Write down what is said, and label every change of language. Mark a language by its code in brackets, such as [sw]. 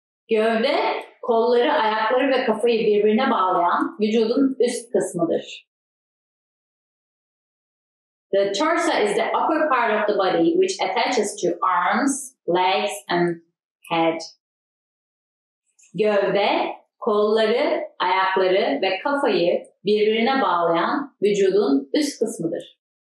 [tr] Gövde, kolları, ayakları ve kafayı birbirine bağlayan vücudun üst kısmıdır. [en] The torso is the upper part of the body which attaches to arms, legs and head. [tr] Gövde, kolları, ayakları ve kafayı birbirine bağlayan vücudun üst kısmıdır.